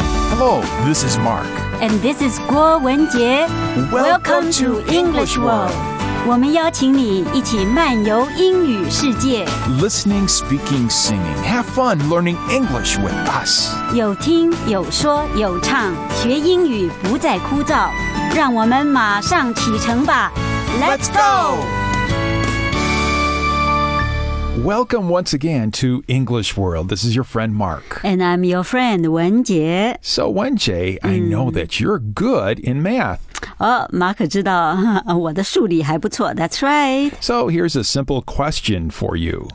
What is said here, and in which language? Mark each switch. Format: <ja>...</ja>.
<en>Hello, this is Mark. And this is Guo Wenjie. Welcome to English World.</en> <zh>我们邀请你一起漫游英语世界。</zh> <en>Listening, speaking, singing. Have fun learning English with us.</en> <zh>有听有说有唱，学英语不再枯燥。让我们马上启程吧。</zh> <en>Let's go! Welcome once again to English World. This is your friend Mark. And I'm your friend Wenjie. So Wenjie, I know that you're good in math.</en> <zh>Oh, Mark 知道我的数理还不错。</zh> <en>That's right. So here's a simple question for you.</en>